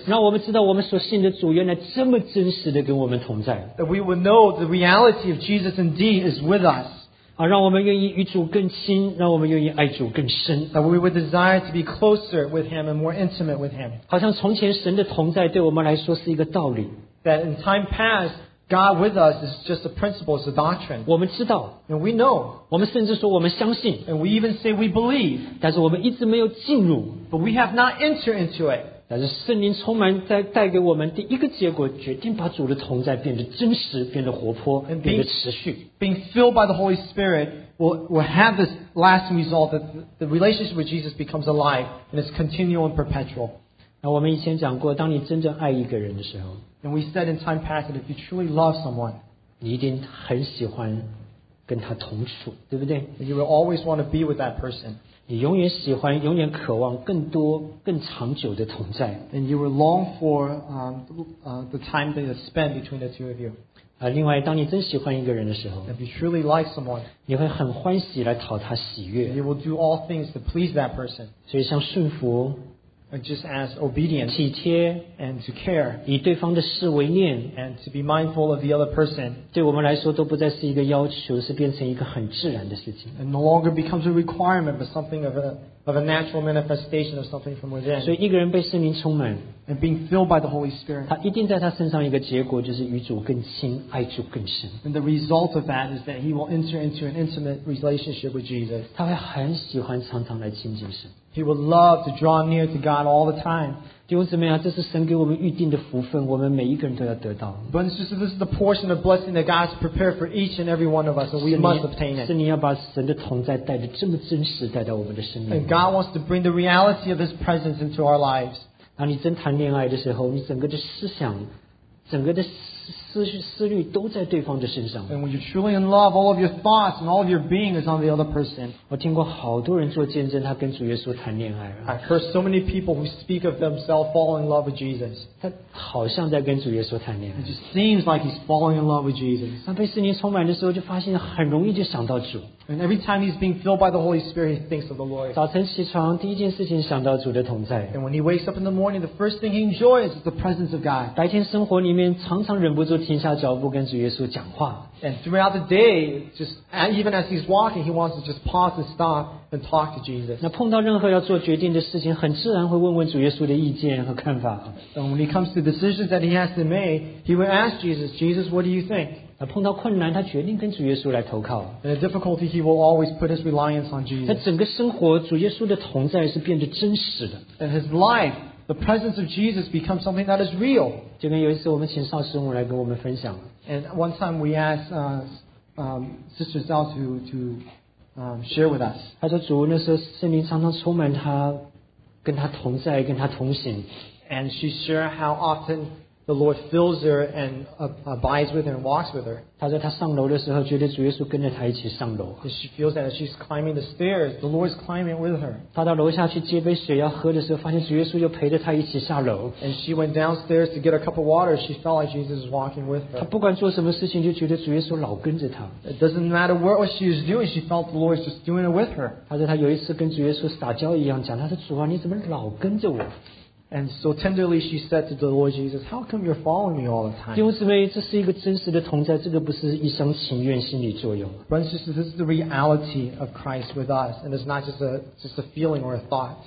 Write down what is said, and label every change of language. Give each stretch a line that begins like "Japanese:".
Chinese: 让我们知道我们所信的主原来这么真实地跟我们同在。
English: That we will know the reality of Jesus indeed is with us.
Chinese: 让我们愿意与主更亲，让我们愿意爱主更深。
English: That we would desire to be closer with Him and more intimate with Him.
Chinese: 好像从前神的同在对我们来说是一个道理。
English: That in time past, God with us is just a principle, it's a doctrine.
Chinese: 我们知道。
English: And we know.
Chinese: 我们甚至说我们相信。
English: And we even say we believe.
Chinese: 但是我们一直没有进入。
English: But we have not entered into it.
Chinese: 但是圣灵充满在带给我们第一个结果，决定把主的同在变得真实，变得活泼，变得持续。
English: Being filled by the Holy Spirit will have this lasting result that the relationship with Jesus becomes alive and is continual and perpetual.
Chinese: 那我们以前讲过，当你真正爱一个人的时候
English: ，And we said in time past that if you truly love someone,
Chinese: 你一定很喜欢跟他同处，对不对
English: ？You will always want to be with that person.
Chinese: 你永远喜欢，永远渴望更多、更长久的同在。
English: And you will long for the time that is spent between the two of you.
Chinese: 另外，当你真喜欢一个人的时候
English: ，If you truly like someone,
Chinese: 你会很欢喜来讨他喜悦。
English: You will do all things to please that person.
Chinese: 所以，像顺服
English: ，and just as obedience,
Chinese: 体贴
English: ，and to care,
Chinese: 以对方的事为念
English: ，and to be mindful of the other person,
Chinese: 对我们来说都不再是一个要求，是变成一个很自然的事情。
English: And no longer becomes a requirement, but something of a natural manifestation of something from within.
Chinese: 所以一个人被圣灵充满
English: ，and being filled by the Holy Spirit,
Chinese: 他一定在他身上一个结果就是与主更亲，爱主更深。
English: And the result of that is that he will enter into an intimate relationship with Jesus.
Chinese: 他会很喜欢常常来亲近神。
English: He would love to draw near to God all the time.
Chinese: 弟兄姊妹啊，这是神给我们预定的福分，我们每一个人都要得到。
English: But this is the portion of blessing that God has prepared for each and every one of us, and we must obtain it.
Chinese: 是你要把神的同在带得这么真实，带到我们的生命。
English: And God wants to bring the reality of His presence into our lives.
Chinese: 当你真谈恋爱的时候，你整个的思想，整个的思虑都在对方的身上。
English: And when you're truly in love, all of your thoughts and all of your being is on the other person.
Chinese: 我听过好多人做见证，他跟主耶稣谈恋爱。
English: I've heard so many people who speak of themselves falling in love with Jesus.
Chinese: 他好像在跟主耶稣谈恋爱。
English: It just seems like he's falling in love with Jesus.
Chinese: 他被圣灵充满的时候，就发现很容易就想到主。
English: And every time he's being filled by the Holy Spirit, he thinks of the Lord.
Chinese: 早晨起床第一件事情想到主的同在。
English: And when he wakes up in the morning, the first thing he enjoys is the presence of God.
Chinese: 白天生活里面常常忍不住停下脚步跟主耶稣讲话。
English: And throughout the day, just even as he's walking, he wants to just pause and stop and talk to Jesus.
Chinese: 那碰到任何要做决定的事情，很自然会问问主耶稣的意见和看法。
English: And when he comes to decisions that he has to make, he will ask Jesus, Jesus, what do you think?
Chinese: 碰到困难，他决定跟主耶稣来投靠。
English: In a difficulty, he will always put his reliance on Jesus.
Chinese: 他整个生活，主耶稣的同在是变得真实的。
English: And his life, the presence of Jesus becomes something that is real.
Chinese: 就跟有一次我们请邵师母来跟我们分享。
English: And one time we asked Sister Zhao to share with us.
Chinese: 他说主那时候圣灵常常充满他，跟他同在，跟他同行。
English: And she shared how often. The Lord fills her and abides with her and walks with her.
Chinese: 她说她上楼的时候觉得主耶稣跟着她一起上楼。
English: And she feels that as she's climbing the stairs, the Lord is climbing with her.
Chinese: 她到楼下去接杯水要喝的时候，发现主耶稣又陪着她一起下楼。
English: And she went downstairs to get a cup of water. She felt like Jesus is walking with her.
Chinese: 她不管做什么事情，就觉得主耶稣老跟着她。
English: It doesn't matter what she is doing. She felt the Lord is just doing it with her.
Chinese: 她说她有一次跟主耶稣撒娇一样讲，她说主啊，你怎么老跟着我？
English: And so tenderly she said to the Lord Jesus, how come you're following me all the time?
Chinese: 弟兄姊妹，这是一个真实的同在，这个不是一厢情愿心理作用。
English: Brothers, this is the reality of Christ with us, and it's not just a feeling or a thought.